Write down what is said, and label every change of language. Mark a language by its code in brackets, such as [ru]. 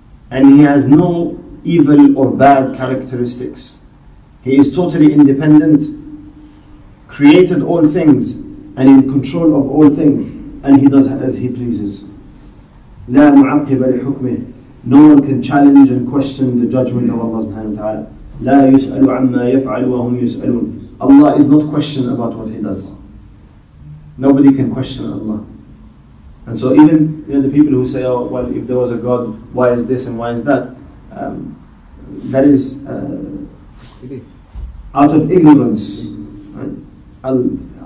[en] And He has no evil or bad characteristics. He is totally independent, created all things, and in control of all things. And He does as He pleases. [ar] لا معقب لحكمه. [en] No one can challenge and question the judgment of Allah subhanahu wa ta'ala. [ar] لا يسأل عما يفعل وهم يسألون. [en] Allah is not questioned about what He does. Nobody can question Allah. And so even, you know, the people who say, oh, well, if there was a God, why is this and why is that? That is out of ignorance. Right?